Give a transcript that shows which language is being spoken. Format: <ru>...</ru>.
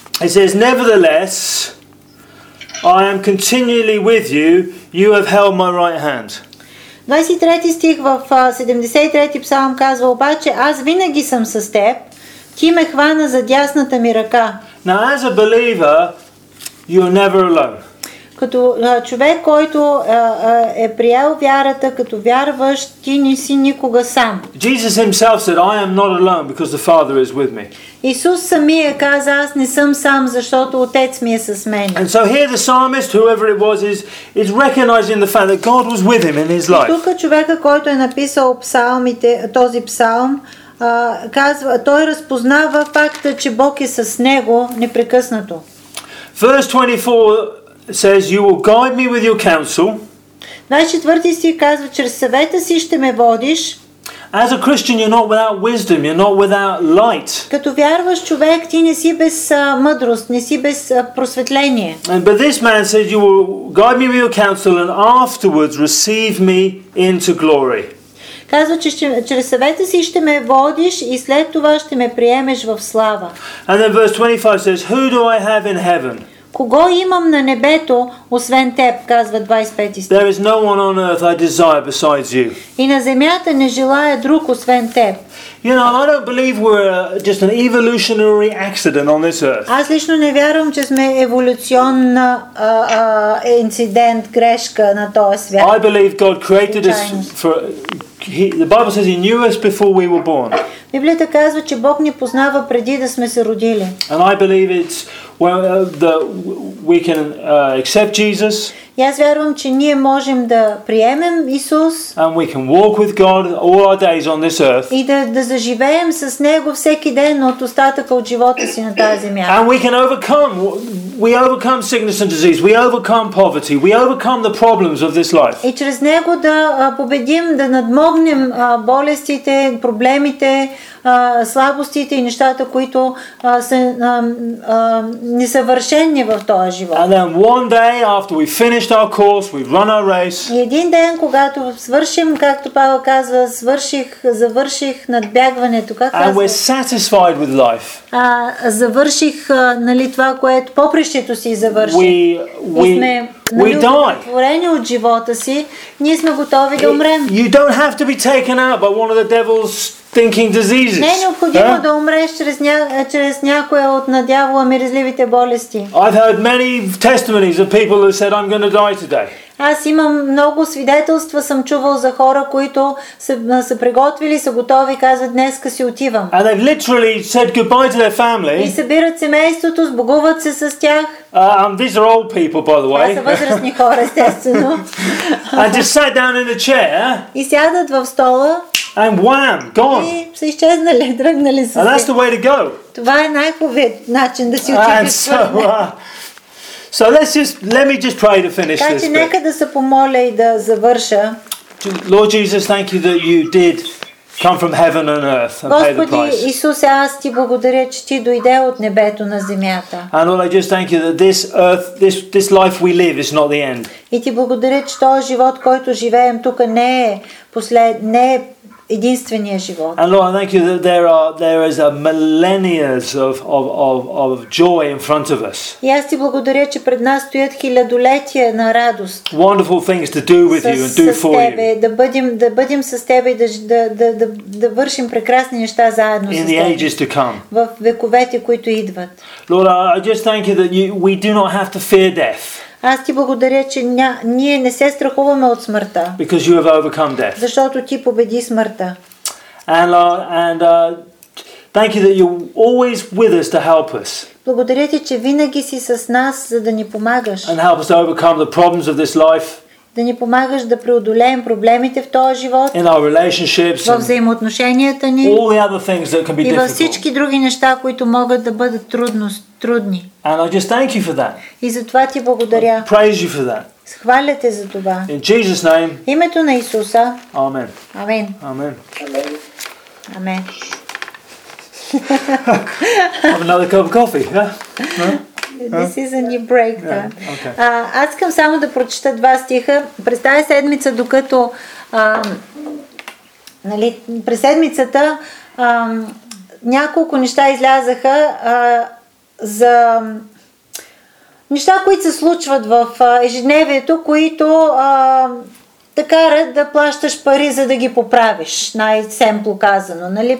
<en>It says, "Nevertheless, I am continually with you. You have held my right hand."</en> <bg>23 стих в 73 псалм казва: "Обаче аз винаги съм с теб. Ти ме хвана за дясната ми ръка."</bg> <en>Now, as a believer, you're never alone.</en> <bg>Като човек, който е приел вярата, като вярваш, ти не си никога сам.</bg> <en>Jesus himself said, "I am not alone because the Father is with me."</en> <bg>Исус самия каза: "Аз не съм сам, защото Отец ми е с мен."</bg> <en>And so here the psalmist, whoever it was, is recognizing the fact that God was with him in his life.</en> <bg>Тук човека, който е написал псалмите, този псалм, казва, той разпознава факта, че Бог е с него непрекъснато.</bg> <en>Verse 24 says, "You will guide me with your counsel."</en> <bg>24 стих казва: "Чрез съвета си ще ме водиш."</bg> <en>As a Christian, you're not without wisdom, you're not without light.</en> <bg>Като вярваш човек, ти не си без мъдрост, не си без просветление.</bg> <en>But this man said, you will guide me with your counsel and afterwards receive me into glory.</en> <bg>Казва, че чрез съвета си ще ме водиш и след това ще ме приемеш в слава.</bg> <en>And then verse 25 says, who do I have in heaven?</en> <bg>Кого имам на небето, освен теб, казва 25 стих.</bg> <en>There is no one on earth I desire besides you.</en> <bg>И на земята не желая друг, освен теб.</bg> <en>You know, I don't believe we're just an evolutionary accident on this earth.</en> <bg>Аз лично не вярвам, че сме еволюционна инцидент, грешка на този свят.</bg> <en>I believe God created us for... the Bible says He knew us before we were born.</en> <bg>Библията казва, че Бог ни познава преди да сме се родили.</bg> <en>And I believe it's well, that we can accept Jesus.</en> <bg>И аз вярвам, че ние можем да приемем Исус.</bg> <en>And we can walk with God all our days on this earth.</en> <bg>И да заживеем с Него всеки ден от остатъка от живота си на тази земя.</bg> <en>And we can overcome. We overcome sickness and disease. We overcome poverty. We overcome the problems of this life.</en> <bg>И чрез Него да победим, да надмогнем болестите, проблемите, слабостите и нещата, които са несъвършени в този живот.</bg> <en>And then one day after we finished our course, we run our race.</en> <bg>И един ден, когато свършим, както Павел казва, завърших надбягването, как казва?</bg> <en>And we're satisfied with life.</en> <bg>Завърших, нали, това, което попрището си завърши.</bg> <en>We die.</en> <bg>От живота си, ние сме готови да умрем.</bg> <en>You don't have to be taken out by one of the devil's thinking diseases.</en> <bg>Не е необходимо да умреш чрез някоя от на дявола миризливите болести.</bg> <en>I've heard many testimonies of people who said I'm going to die today.</en> <bg>Аз имам много свидетелства, съм чувал за хора, които са приготвили, са готови, казват, днеска си отивам.</bg> <en>And they've literally said goodbye to their family.</en> <bg>И събират семейството, сбогуват се с тях.</bg> <en>These are old people, by the way.</en> <bg>Това са възрастни хора, естествено.</bg> <en>And just sat down in a chair.</en> <bg>И сядат в стола.</bg> <en>And wham, gone.</en> <bg>И са изчезнали, дръгнали са.</bg> <en>And that's the way to go.</en> <bg>Това е най-хубавият начин да си отидеш.</bg> <en>So let me just pray to finish this.</en> <bg>Така, нека да се помоля и да завърша.</bg> <en>Lord Jesus, thank you that you did come from heaven and earth and pay the price.</en> <bg>Господи Исус, аз ти благодаря, че ти дойде от небето на земята.</bg> <en>And Lord, I just thank you that this earth, this life we live is not the end.</en> <bg>И ти благодаря, че този живот, който живеем тук, не е единствения живот.</bg> <en>And Lord, I thank you that there is a millennia of joy in front of us.</en> <bg>И аз ти благодаря, че пред нас стоят хилядолетия на радост.</bg> <en>Wonderful things to do with you and do for you.</en> <bg>Да бъдем с тебе и да вършим прекрасни неща заедно с теб.</bg> <en>In the ages to come.</en> <bg>В вековете, които идват.</bg> <en>Lord, I just thank you that we do not have to fear death.</en> <bg>Аз ти благодаря, че ние не се страхуваме от смъртта.</bg> <en>Because you have overcome death.</en> <bg>Защото ти победи смъртта.</bg> <en>Thank you that you're always with us to help us.</en> <bg>Благодаря ти, че винаги си с нас, за да ни помагаш.</bg> <en>And help us to overcome the problems of this life.</en> <bg>Да ни помагаш да преодолеем проблемите в този живот.</bg> <en>In our relationships.</en> <bg>Във взаимоотношенията ни.</bg> <en>All the other things that can be difficult.</en> <bg>И във всички други неща, които могат да бъдат трудни.</bg> <en>And I just thank you for that.</en> <bg>И затова ти благодаря.</bg> <en>I praise you for that.</en> <bg>Хваля те за това.</bg> <en>In Jesus' name.</en> <bg>Името на Исуса.</bg> <en>Amen. Amen. Amen. Amen. Have another cup of coffee, yeah? This is a new break, yeah. Okay.</en> <bg>Аз искам само да прочета два стиха. През тази седмица, докато нали, през седмицата няколко неща излязаха за неща, които се случват в ежедневието, които те карат да плащаш пари, за да ги поправиш, най-семпло казано. Нали?</bg>